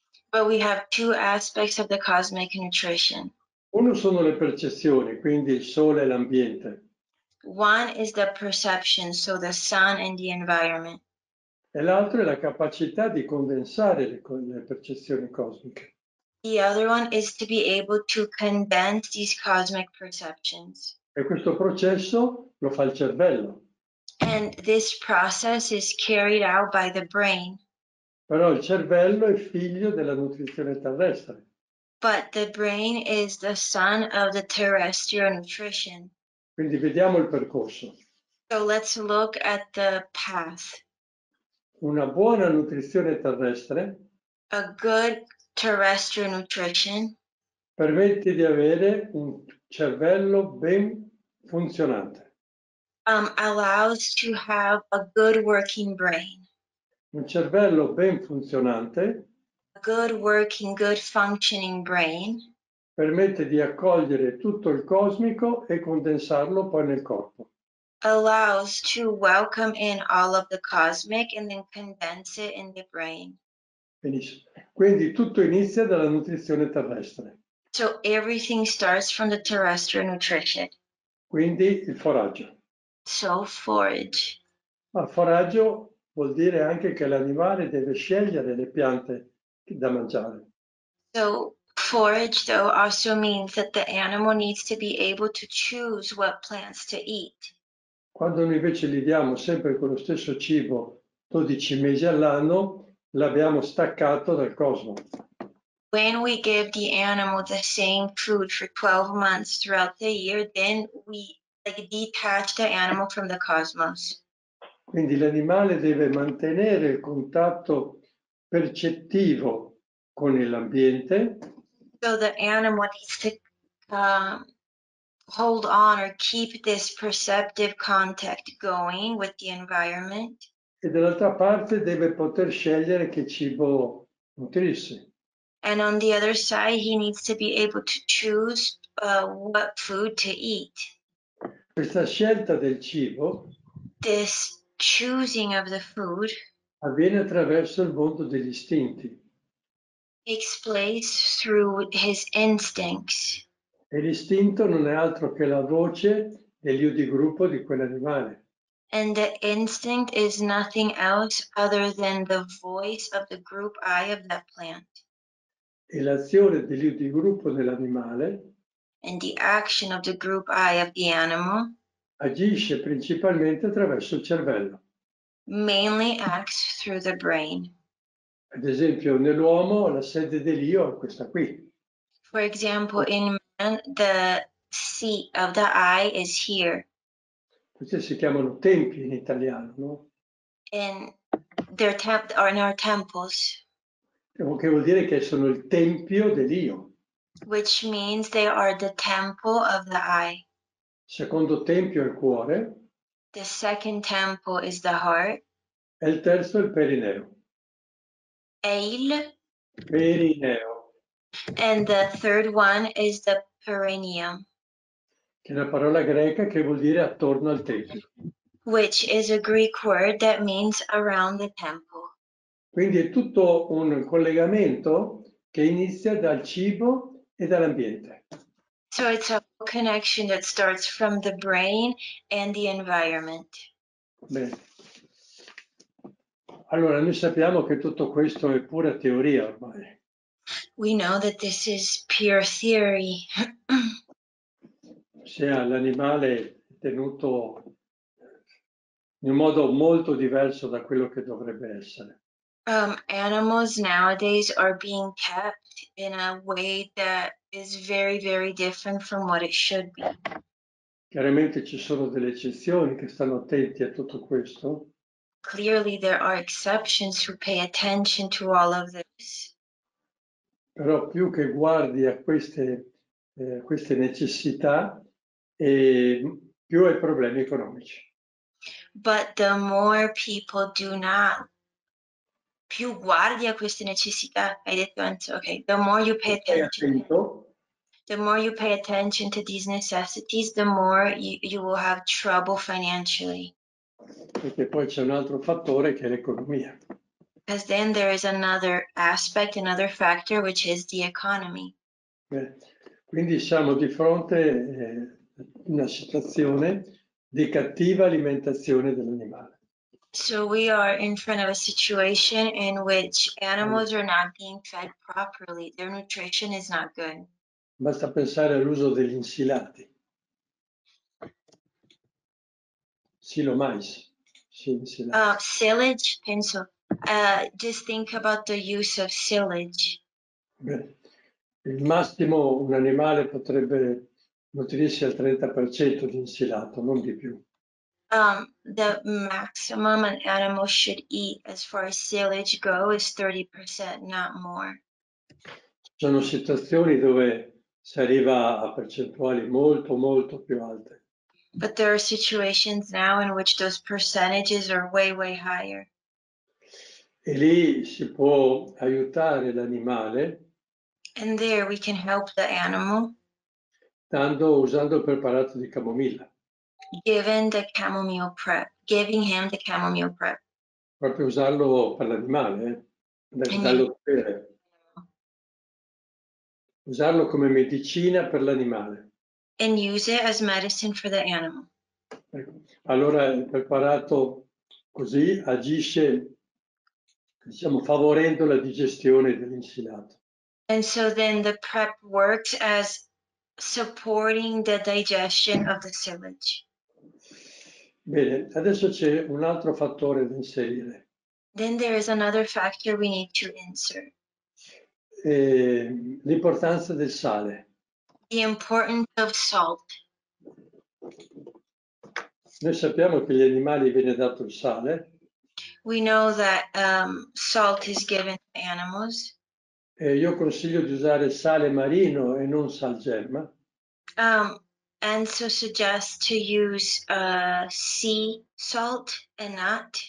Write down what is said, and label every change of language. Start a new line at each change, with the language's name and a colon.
English: But we have two aspects of the cosmic nutrition.
Italian: Uno sono le percezioni, quindi il sole e l'ambiente.
English: One is the perception, so the sun and the environment.
Italian: E l'altro è la capacità di condensare le percezioni cosmiche.
English: The other one is to be able to condense these cosmic perceptions.
Italian: E questo processo lo fa il cervello.
English: And this process is carried out by the brain.
Italian: Però il cervello è figlio della nutrizione terrestre.
English: But the brain is the son of the terrestrial nutrition.
Italian: Quindi vediamo il percorso.
English: So let's look at the path.
Italian: Una buona nutrizione terrestre.
English: A good terrestrial nutrition
Italian: permette di avere un cervello ben funzionante.
English: Allows to have a good working brain.
Italian: Un cervello ben funzionante.
English: A good working, good functioning brain.
Italian: Permette di accogliere tutto il cosmico e condensarlo poi nel corpo.
English: Allows to welcome in all of the cosmic and then condense it in the brain.
Italian: Benissimo. Quindi tutto inizia dalla nutrizione terrestre.
English: So everything starts from the terrestrial nutrition.
Italian: Quindi il foraggio.
English: So forage.
Italian: Ma foraggio vuol dire anche che l'animale deve scegliere le piante da mangiare.
English: So Forage, though, also means that the animal needs to be able to choose what plants to eat.
Italian: Quando noi invece li diamo sempre con lo stesso cibo 12 mesi all'anno, l'abbiamo staccato dal cosmo.
English: When we give the animal the same food for 12 months throughout the year, then we like, detach the animal from the cosmos.
Italian: Quindi l'animale deve mantenere il contatto percettivo con l'ambiente.
English: So the animal needs to hold on or keep this perceptive contact going with the environment.
Italian: E dall'altra parte deve poter scegliere che cibo nutrirsi.
English: And on the other side he needs to be able to choose what food to eat.
Italian: Questa scelta del cibo,
English: this choosing of the food,
Italian: avviene attraverso il mondo degli istinti.
English: Takes place through his instincts.
Italian: E l'istinto non è altro che la voce dell'io di gruppo di quell'animale.
English: And the instinct is nothing else other than the voice of the group I of that plant.
Italian: E l'azione dell'io di gruppo dell'animale,
English: and the action of the group I of the animal,
Italian: agisce principalmente attraverso il cervello.
English: Mainly acts through the brain.
Italian: Ad esempio, nell'uomo la sede dell'io è questa qui.
English: For example, in man, the seat of the eye is here.
Italian: Questi si chiamano templi in italiano, no?
English: In our temples.
Italian: Che vuol dire che sono il tempio dell'io.
English: Which means they are the temple of the eye.
Italian: Secondo tempio è il cuore.
English: The second temple is the heart.
Italian: E il terzo è il perineo. E il perineo.
English: And the third one is the perineum.
Italian: Che è una parola greca che vuol dire attorno al tempio.
English: Which is a Greek word that means around the temple.
Italian: Quindi è tutto un collegamento che inizia dal cibo e dall'ambiente.
English: So it's a connection that starts from the brain and the environment.
Italian: Bene. Allora, noi sappiamo che tutto questo è pura teoria ormai.
English: We know that this is pure theory.
Italian: Se l'animale è tenuto in un modo molto diverso da quello che dovrebbe essere.
English: Animals nowadays are being kept in a way that is very, very different from what it should be.
Italian: Chiaramente ci sono delle eccezioni che stanno attenti a tutto questo.
English: Clearly there are exceptions who pay attention to all of this.
Italian: Però più che guardi a queste necessità, più hai problemi economici.
English: But the more people do not,
Italian: più guardi a queste necessità, hai detto Enzo,
English: okay, the more you pay attention. The more you pay attention to these necessities, the more you will have trouble financially.
Italian: Perché poi c'è un altro fattore che è l'economia.
English: Because then there is another aspect, another factor, which is the economy.
Italian: Beh, quindi siamo di fronte a una situazione di cattiva alimentazione dell'animale.
English: So we are in front of a situation in which animals are not being fed properly. Their nutrition is not good.
Italian: Basta pensare all'uso degli insilati. Silo mais.
English: Silage,
Italian: penso.
English: Just think about the use of silage.
Italian: Beh, il massimo un animale potrebbe nutrirsi al 30% di insilato, non di più.
English: The maximum an animal should eat as far as silage go is 30%, not more.
Italian: Sono situazioni dove si arriva a percentuali molto, molto più alte.
English: But there are situations now in which those percentages are way, way higher.
Italian: E lì si può aiutare l'animale.
English: And there we can help the animal.
Italian: Usando il preparato di camomilla.
English: Giving him the chamomile prep.
Italian: Proprio usarlo per l'animale, dallo bere. Usarlo come medicina per l'animale.
English: And use it as medicine for the animal.
Italian: Allora il preparato così agisce, diciamo, favorendo la digestione dell'insilato.
English: And so then the prep works as supporting the digestion of the silage.
Italian: Bene, adesso c'è un altro fattore da inserire.
English: Then there is another factor we need to insert.
Italian: L'importanza del sale.
English: The importance of salt.
Italian: Noi sappiamo che agli animali viene dato il sale.
English: We know that salt is given to animals.
Italian: E io consiglio di usare sale marino e non sal gemma.
English: Enzo suggests to use sea salt and not